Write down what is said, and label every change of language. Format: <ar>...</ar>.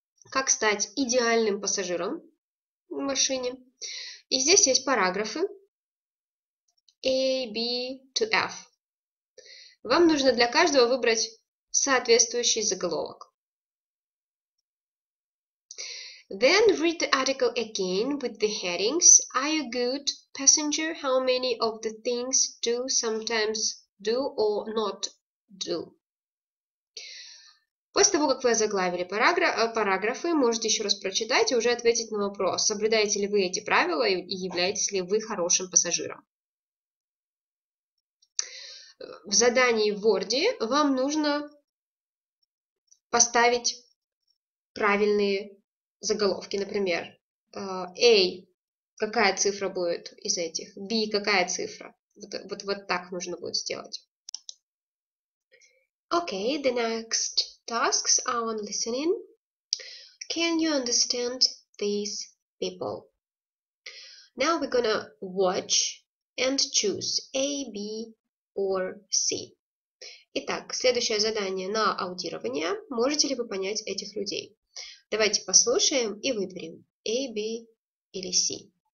<ru>Как стать идеальным пассажиром в машине. И здесь есть параграфы A, B to F. Вам нужно для каждого выбрать соответствующий заголовок.</ru> <en>Then read the article again with the headings. Are you a good passenger? How many of the things do sometimes do or not do?</en> <ru>После того, как вы озаглавили параграфы, можете еще раз прочитать и уже ответить на вопрос, соблюдаете ли вы эти правила и являетесь ли вы хорошим пассажиром. В задании в Word вам нужно поставить правильные заголовки. Например, A, какая цифра будет из этих? B, какая цифра? Вот так нужно будет сделать.</ru> <en>Okay, the next tasks are on listening. Can you understand these people? Now we're gonna watch and choose A, B, or C.</en> <ru>Итак, следующее задание на аудирование. Можете ли вы понять этих людей? Давайте послушаем и выберем A, B или C.</ru>